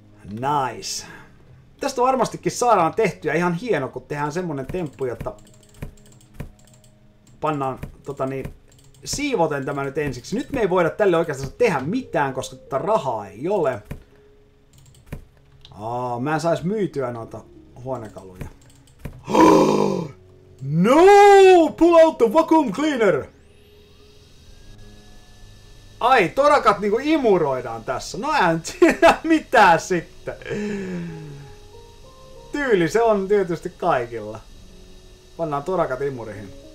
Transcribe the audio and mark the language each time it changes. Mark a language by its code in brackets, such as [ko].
[fi] Nice. Tästä varmastikin saadaan tehtyä ihan hieno, kun tehdään semmonen temppu, jotta pannaan tota niin, siivoten tämä nyt ensiksi. Nyt me ei voida tälle oikeastaan tehdä mitään, koska tätä rahaa ei ole. Mä en sais myytyä noita huonekaluja. [en] No! Pull out the vacuum cleaner! [fi] Ai, torakat niinku imuroidaan tässä. No en tiedä mitään sitten. Tyyli se on tietysti kaikilla. Pannaan torakat imurihin.